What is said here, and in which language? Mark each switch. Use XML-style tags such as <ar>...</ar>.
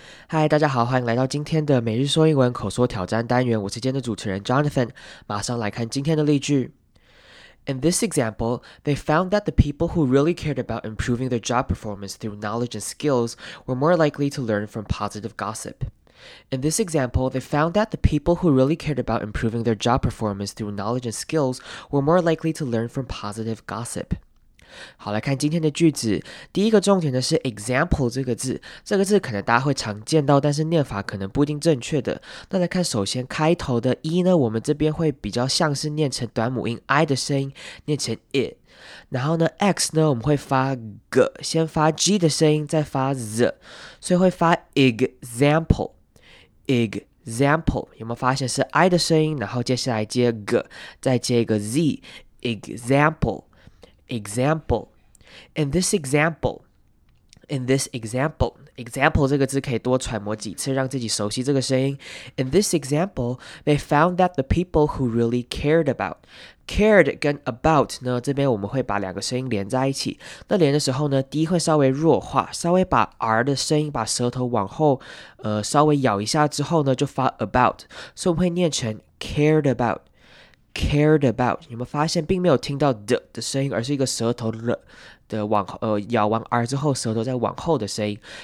<zh>嗨，大家好，欢迎来到今天的每日说英文口说挑战单元，我是今天的主持人 Jonathan。马上来看今天的例句。</zh> <en>In this example, they found that the people who really cared about improving their job performance through knowledge and skills were more likely to learn from positive gossip. In this example, they found that the people who really cared about improving their job performance through knowledge and skills were more likely to learn from positive gossip.</en> <zh>好，来看今天的句子。第一个重点的是 example 这个字，这个字可能大家会常见到，但是念法可能不一定正确的。那来看首先开头的 e 呢，我们这边会比较像是念成短母音 i 的声音，念成 it。然后呢 x 呢，我们会发 g， 先发 g 的声音，再发 z， 所以会发 example。 example 有没有发现是 i 的声音，然后接下来接 g， 再接一个 z， example。Example.</zh> <en>In this example,</en> <zh>example 这个字可以多揣摩几次，让自己熟悉这个声音。</zh> <en>In this example, they found that the people who really cared about, cared 跟 about 呢，</en> <zh>这边我们会把两个声音连在一起。那连的时候呢，第一会稍微弱化，稍微把 R 的声音，把舌头往后，稍微咬一下之后呢，就发 about， 所以我们会念成 cared about。</zh> <en>Cared about，</en> <zh>有没有发现并没有听到 d 的声音，而是一个舌头的咬完 r 之后，舌头在往后的声音。</zh>